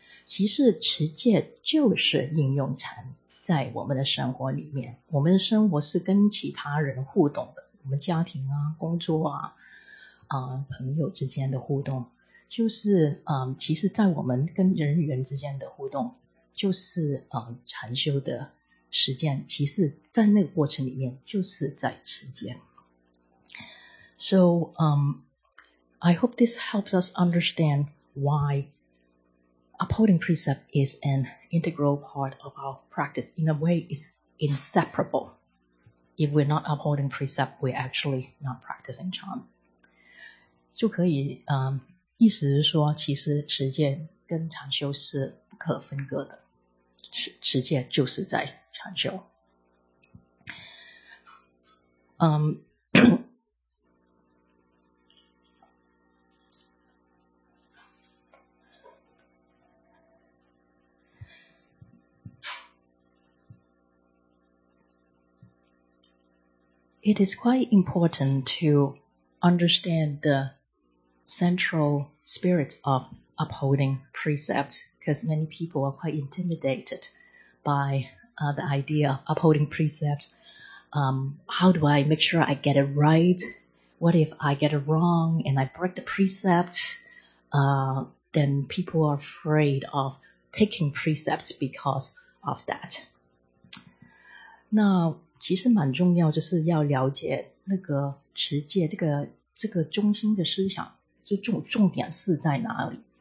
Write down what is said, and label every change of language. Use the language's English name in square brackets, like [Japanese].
[Chinese] 其实持戒就是应用禅。在我们的生活里面，我们的生活是跟其他人互动的，我们家庭啊、工作啊、朋友之间的互动，就是其实在我们跟人与人之间的互动，就是禅修的实践，其实在那个过程里面就是在持戒。 [English] So I hope this helps us understand whyUpholding precept is an integral part of our practice. In a way, it's inseparable. If we're not upholding precept, we're actually not practicing charm. [Chinese] 就可以意思是说，其实持戒跟禅修是不可分割的。持戒就是在禅修。 [English] It is quite important to understand the central spirit of upholding precepts, because many people are quite intimidated by the idea of upholding precepts. How do I make sure I get it right? What if I get it wrong and I break the precepts? Then people are afraid of taking precepts because of that. [Chinese] Now,其实蛮重要，就是要了解那个持戒这个中心的思想，就重点是在哪里。